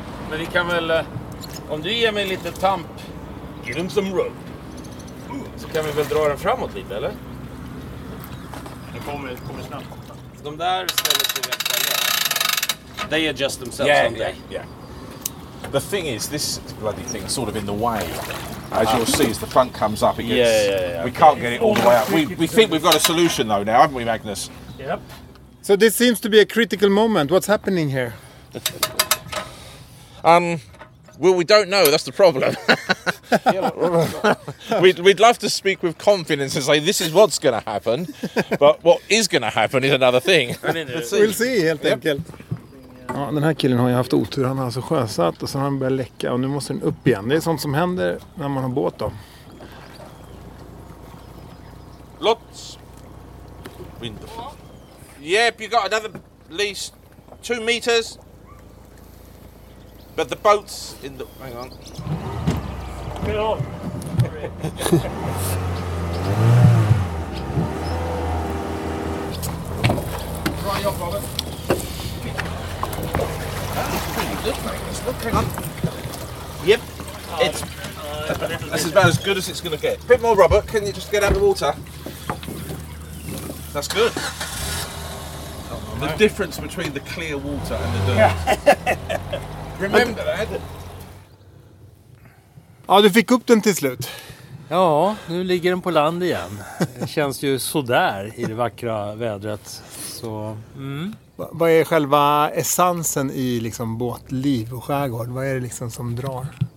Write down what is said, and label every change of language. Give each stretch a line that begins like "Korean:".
Swedish: Men vi kan väl, om du ger mig lite tamp,
English: give him some rope,
Swedish: så kan vi väl dra den framåt lite, eller? Det kommer snabbt. De där ställer sig rätt där.
English: They adjust themselves, yeah, someday. Yeah. The thing is, this bloody thing is sort of in the way. As you'll see, as the front comes up, it gets, yeah. We can't get it all the way up. We think we've got a solution, though, now, haven't we, Magnus? Yep. So this seems to be a critical moment. What's happening here? Well, we don't know. That's the problem. we'd love to speak with confidence and say, this is what's going to happen. But what is going to happen is another thing. We'll see,
Swedish: helt enkelt. Ja, den här killen har ju haft otur, han har alltså sjösatt och sen har han börjat läcka och nu måste den upp igen. Det är sånt som händer när man har båt då.
English: Lots. Wind. Yep, you got another at least 2 meters. But the boat's in the... Hang on. Get on. Try your problem. Look, hang on. Yep, it's this is about as good as it's going to get. A bit more rubber, can you just get out of the water? That's good. The difference between the clear water and the dirt. Remember that.
Swedish: Ja, du fick upp den till slut. Ja, nu ligger den på land igen. Det känns ju så där i det vackra vädret. Så, Vad är själva essensen i liksom båtliv och skärgård? Vad är det liksom som drar?